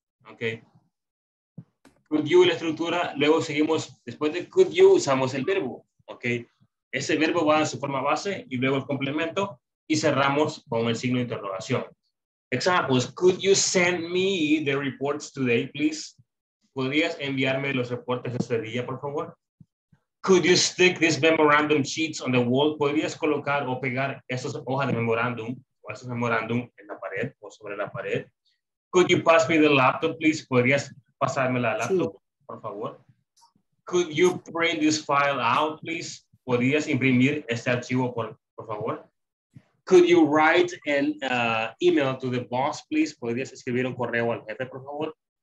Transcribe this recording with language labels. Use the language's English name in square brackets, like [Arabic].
[English] okay, could you, [Spanish] la estructura, luego seguimos, después de could you, usamos el verbo, okay, ese verbo va en su forma base y luego el complemento y cerramos con el signo de interrogación. [English] Examples, could you send me the reports today, please? [Spanish] ¿Podrías enviarme los reportes ese día, por favor? [English] Could you stick these memorandum sheets on the wall? [Spanish] ¿Podrías colocar o pegar esas hojas de memorándum o esos memorándum en la pared o sobre la pared? [English] Could you pass me the laptop, please? [Spanish] ¿Podrías pasarme la laptop, sí, por favor? [English] Could you print this file out, please? [Spanish] ¿Podrías imprimir este archivo, por favor? [English] Could you write an email to the boss, please? [Spanish] ¿Podrías escribir un correo al jefe, por favor?